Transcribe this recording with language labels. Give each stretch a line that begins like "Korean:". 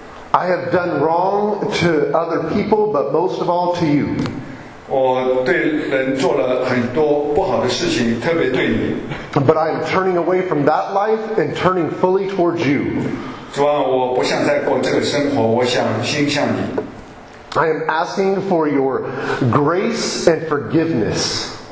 English: I have done wrong to other people, but most of all to you.
Chinese: 我对人做了很多不好的事情，特别对你。
English: But I am turning away from that life and turning fully towards you.
Chinese: 主啊，我不想再过这个生活，我想心向你。
English: I am asking for your grace and forgiveness.